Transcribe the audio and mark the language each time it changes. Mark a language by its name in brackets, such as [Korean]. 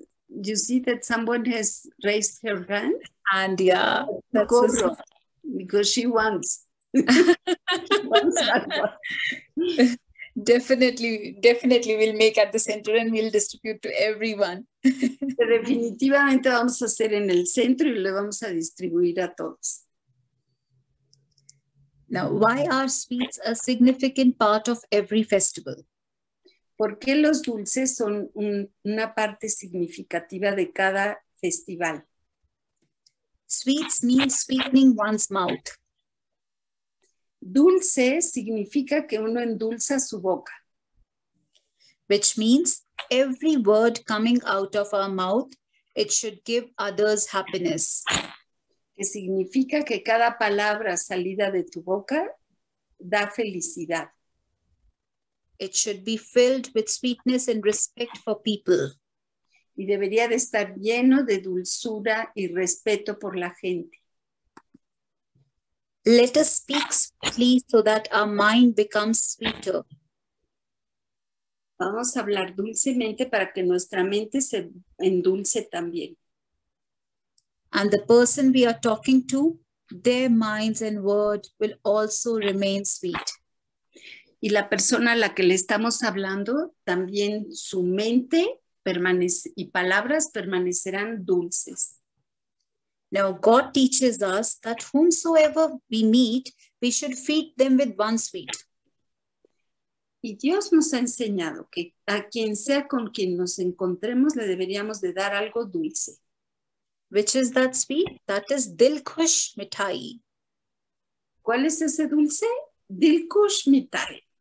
[English] You see that someone has raised her hand? And yeah, that's so because she wants. definitely we'll make at the center and we'll distribute to everyone. [Spanish] Definitivamente vamos a hacer en el centro y le vamos a distribuir a todos. [English] Now, why are sweets a significant part of every festival? [Spanish] ¿Por qué los dulces son una parte significativa de cada festival? [English] Sweets mean sweetening one's mouth. [Spanish] Dulce significa que uno endulza su boca. [English] Which means every word coming out of our mouth, it should give others happiness. [Spanish] Que significa que cada palabra salida de tu boca da felicidad. [English] It should be filled with sweetness and respect for people. [Spanish] Y debería de estar lleno de dulzura y respeto por la gente. [English] Let us speak sweetly so that our mind becomes sweeter. [Spanish] Vamos a hablar dulcemente para que nuestra mente se endulce también. [English] And the person we are talking to, their minds and word will also remain sweet. [Spanish] Y la persona a la que le estamos hablando, también su mente permanece y palabras permanecerán dulces. [English] Now, God teaches us that whomsoever we meet, we should feed them with one sweet. [Spanish] Y Dios nos ha enseñado que a quien sea con quien nos encontremos, le deberíamos de dar algo dulce. [English] Which is that sweet? That is dilkush mitai. [Spanish] ¿Cuál es ese dulce? Dilkush mitai.